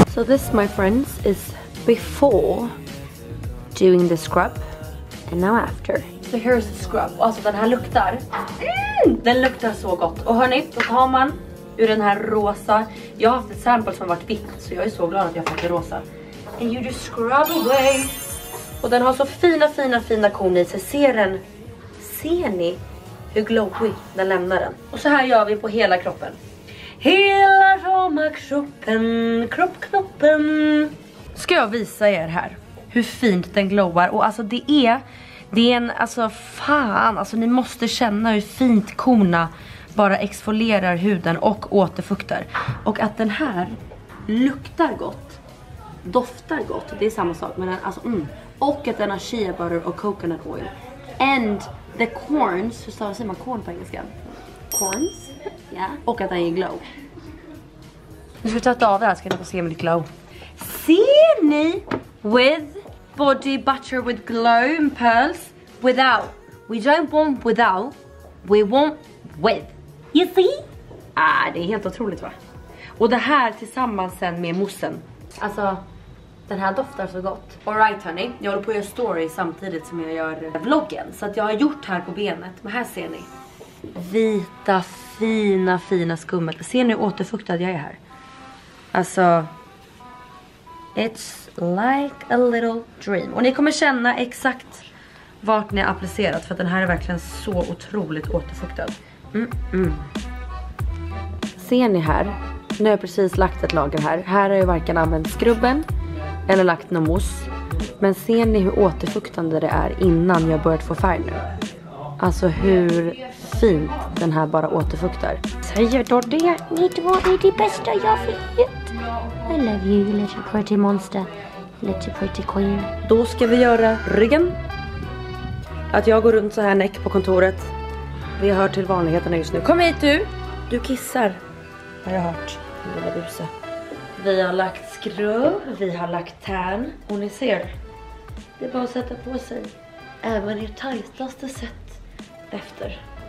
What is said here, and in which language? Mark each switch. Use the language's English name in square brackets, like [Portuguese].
[English] So this, my friends, is before doing the scrub, and now after. The hair scrub. [Swedish] Alltså den här luktar. Den luktar så gott. Och hörni, då tar man ur den här rosa. Jag har haft ett sample som har varit vitt. Så jag är så glad att jag har fått det rosa. [English] And you just scrub away. [Swedish] Och den har så fina korn i sig. Ser den? Ser ni hur glowy den lämnar den? Och så här gör vi på hela kroppen. Hela rama kroppen. Kroppknoppen. Ska jag visa er här hur fint den glowar. Och alltså det är... Det är en, alltså fan, alltså ni måste känna hur fint korna bara exfolierar huden och återfuktar. Och att den här luktar gott, doftar gott, det är samma sak, men den, alltså mm. Och att den har chia butter och coconut oil. [English] And the corns, [Swedish] hur säger man corn på engelska? Corns? Ja. Yeah. Och att den är glow. Nu ska vi ta ett av det här, ska ni få se om det glow. Ser ni? [English] With body butter with glow and pearls. Without. We don't want without. We want with. You see? [Swedish] Ah, det är helt otroligt va? Och det här tillsammans sen med moussen. Alltså, den här doftar så gott. [English] All right honey, [Swedish] jag håller på att göra story samtidigt som jag gör vloggen. Så att jag har gjort här på benet. Men här ser ni. Vita, fina, fina skummet. Ser ni hur återfuktad jag är här? [English] Alltså, it's like a little dream. [Swedish] Och ni kommer känna exakt vart ni har applicerat. För att den här är verkligen så otroligt återfuktad. Mm-mm. Ser ni här? Nu har jag precis lagt ett lager här. Här har jag varken använt skrubben eller lagt någon mousse. Men ser ni hur återfuktande det är innan jag börjat få färg nu? Alltså hur fint den här bara återfuktar. Säger då det? Ni två är det bästa jag vet. [English] I love you, little pretty monster. Little pretty queen. [Swedish] Då ska vi göra ryggen. Att jag går runt så här näck på kontoret. Vi hör till vanligheterna just nu. Kom hit du. Du kissar. Har jag hört. Lilla busa. Vi har lagt skrubb. Vi har lagt tärn. Och ni ser. Det är bara att sätta på sig. Även i tajtaste sätt. Efter.